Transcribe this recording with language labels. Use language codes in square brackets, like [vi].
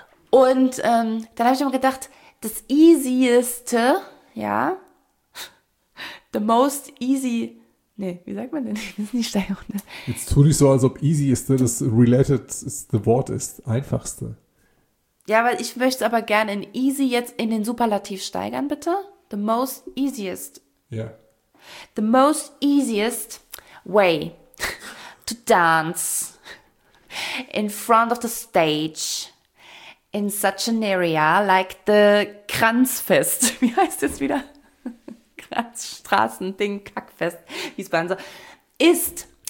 [de] Und dann habe ich immer gedacht, das easieste, ja, the most easy, nee, wie sagt man denn? Das ist nicht steil. Ne? Jetzt tu nicht so, als ob easieste das related ist, the Wort ist, einfachste. Ja, weil ich möchte es aber gerne in easy jetzt in den Superlativ steigern, bitte. [en] The most easiest. [de] Ja. [en] The most easiest way to dance in front of the stage. In such an area like the Kranzfest. [de] Wie heißt das wieder? Kranzstraßen-Ding-Kackfest. Wie es bei uns so ist.